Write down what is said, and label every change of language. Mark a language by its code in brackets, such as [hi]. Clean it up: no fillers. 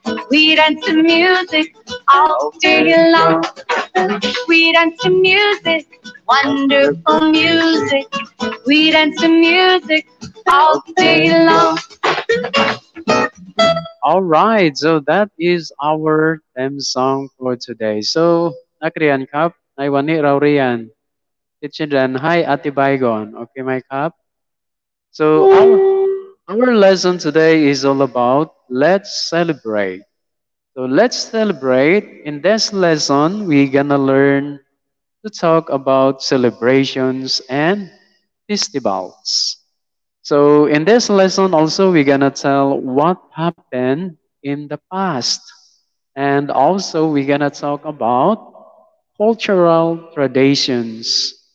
[en] We danced to music all day long. We danced to music, wonderful music. We danced to music all day long. All right, so that is our theme song for today. [th] So, นักเรียนครับในวันนี้เราเรียนที่จะเรียนให้อธิบายก่อนโอเคไหมครับ [en] So our lesson today is all about let's celebrate. So let's celebrate. In this lesson, we're gonna learn to talk about celebrations and festivals. So in this lesson also, we're gonna tell what happened in the past. And also we're gonna talk about cultural traditions.